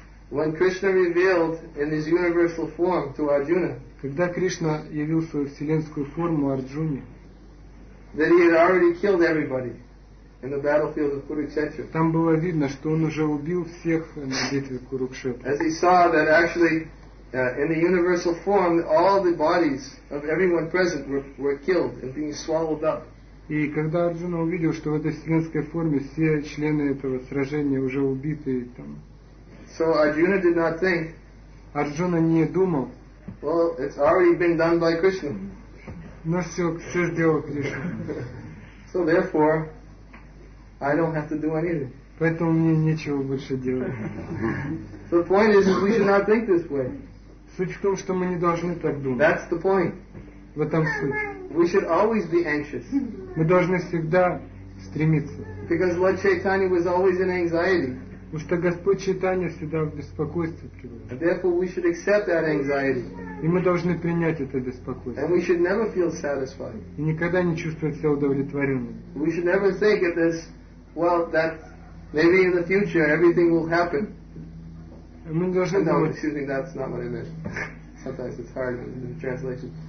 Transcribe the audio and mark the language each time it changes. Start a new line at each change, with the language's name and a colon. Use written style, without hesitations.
English: When Krishna revealed in his universal form to Arjuna,
Russian: когда Кришна явил свою вселенскую форму Арджуне,
English: that he had already killed everybody in the battlefield of Kurukshetra.
Russian: Там было видно, что он уже убил всех на битве Курукшетры.
English: As he saw that actually in the universal form, all the bodies of everyone present were killed and being swallowed up.
Russian: И когда Арджуна увидел, что в этой вселенской форме все члены этого сражения уже убиты и там.
English: So Arjuna did not think.
Russian: Арджуна не думал.
English: Well, it's already been done by Krishna.
Russian: Но все сделал Кришна.
English: So therefore, I don't have to do anything.
Russian: Поэтому мне нечего больше делать.
English: The point is that we should not think this way.
Russian: Суть в том, что мы не должны так думать.
English: That's the point.
Russian: В этом суть.
English: We should always be anxious.
Russian: Мы должны всегда стремиться.
English: Because Lord Chaitanya was always in anxiety.
Russian: Потому что Господь Чайтанья всегда в беспокойстве пребывает.
English: And therefore we should accept that anxiety.
Russian: И мы должны принять это беспокойство.
English: And we should never feel satisfied.
Russian: И никогда не чувствовать себя удовлетворенным.
English: We should never think of this, well, that maybe in the future everything will happen.
Russian: Мы должны думать.
English: No, excuse me, that's not what I meant. Sometimes it's hard in the translation.